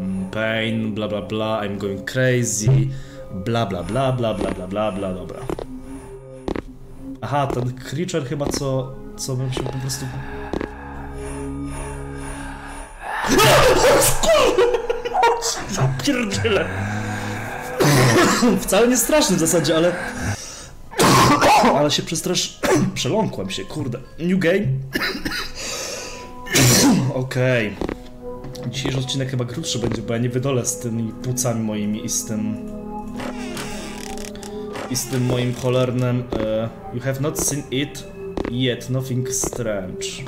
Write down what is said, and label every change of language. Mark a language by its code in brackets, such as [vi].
[en] Pain, bla bla bla, I'm going crazy. Bla bla bla bla bla bla bla bla, dobra. [pl] Aha, ten creature chyba co bym się po prostu... Zapierdzielę! Wcale nie straszny w zasadzie, ale... Ale się przestraszyłem. Przeląkłem się, kurde. [en] New game? Okej. Okay. [pl] Dzisiejszy odcinek chyba krótszy będzie, bo ja nie wydolę z tymi płucami moimi i z tym... I z tym moim cholernym... [en] You have not seen it yet, nothing strange.